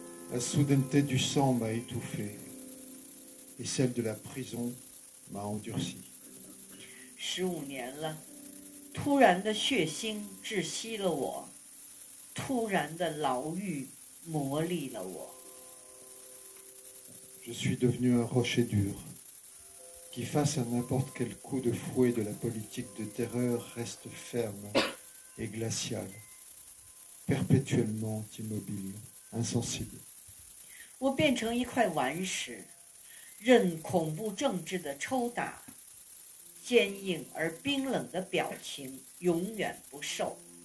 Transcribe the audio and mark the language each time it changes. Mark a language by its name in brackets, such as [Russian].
[French] La soudaineté du sang m'a étouffé et celle de la prison m'a endurci. [Chinese] 15年了，突然的血腥窒息了我，突然的牢狱磨砺了我。 [French] Je suis devenu un rocher dur. Qui face à n'importe quel coup de fouet de la politique de terreur reste ferme et glacial, perpétuellement immobile, insensible. [Chinese] 我变成一块顽石，任恐怖政治的抽打，坚硬而冰冷的表情永远不受。